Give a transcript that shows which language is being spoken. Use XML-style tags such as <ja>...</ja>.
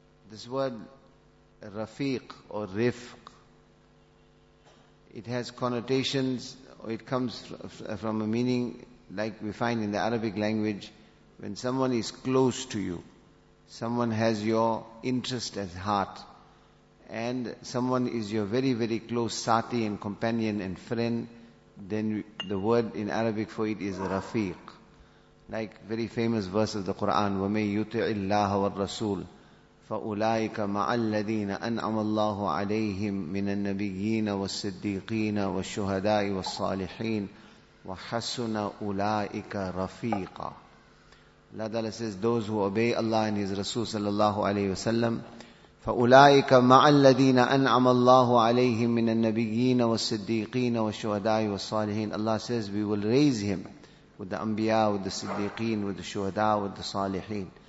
<en>This word Rafiq or Rifq, it has connotations, or it comes from a meaning like we find in the Arabic language, when someone is close to you, someone has your interest at heart, and someone is your very, very close sati and companion and friend, then the word in Arabic for it is Rafiq. Like very famous verse of the Quran,</en> <ar>وَمَنْ يُطِعِ اللَّهَ وَالرَّسُولِ فَأُولَٰئِكَ مَعَ الَّذِينَ أَنْعَمَ اللَّهُ عَلَيْهِمْ مِنَ النَّبِيِّينَ وَالصِّدِّيقِينَ وَالشُّهَدَاءِ وَالصَّالِحِينَ وَحَسُنَ أُولَٰئِكَ رَفِيقًا.</ar> <en>Allah Ta'ala says, those who obey Allah and His Rasul sallallahu alayhi wa sallam,</en> <ar>فَأُولَٰئِكَ مَعَ الَّذِينَ أَنْعَمَ اللَّهُ عَلَيْهِمْ مِنَ النَّبِيِّينَ وَالصِّدِّيقِينَ وَالشُّهَدَاءِ وَالصَّالِحِينَ.</ar> <en>Allah says, we will raise him with the Anbiya, with the Siddiqeen, with the Shuhada, with the Salihin.</en>